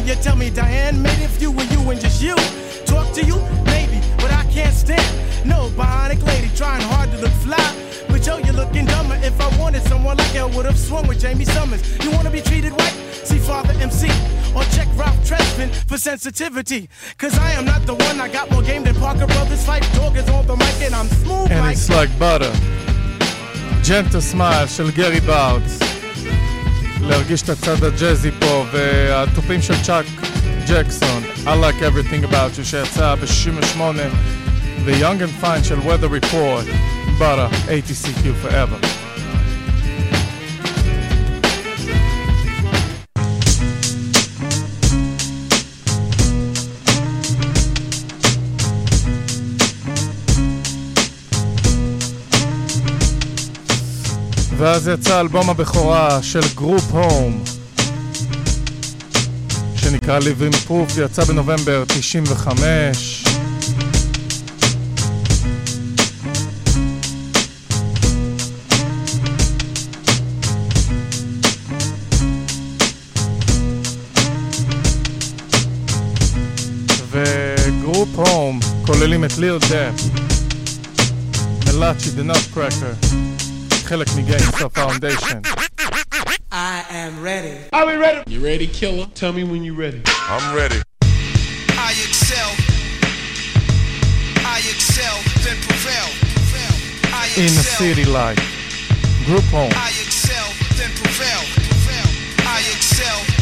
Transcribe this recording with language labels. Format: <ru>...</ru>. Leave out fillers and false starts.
<en>You tell me, Diane, maybe if you were you and just you. Talk to you, maybe, but I can't stand no bionic lady trying hard to look fly. But yo, you're looking dumber. If I wanted someone like you, I would have swum with Jamie Summers. You want to be treated right? See Father MC. Or check Ralph Tresvant for sensitivity. Cause I am not the one. I got more game than Parker Brothers. Fight dog is on the mic and I'm smooth. And like it's like butter.</en> <he>Gentle smile של גרי באוטס. להרגיש את הצד הג'אזי פה והתופים של צ'אק ג'קסון. I like everything about you שיצא ב-68 The Young and Fine של Weather Report.</he> <en>Butter, ATCQ forever.</en> <he>ואז יצא אלבום הבכורה של גרופ הום שנקרא Living Proof, יצא בנובמבר 95. וגרופ הום כוללים את ליל דאפ מלאצ'י דה נאטקרקר חלק מגיינגסטר פאונדיישן.</he> <en>I am ready. Are we ready? You ready, killer? Tell me when you're ready. I'm ready. I excel. I excel, then prevail. I excel. In a city life. Group home. I excel, then prevail. Prevail. I excel.</en>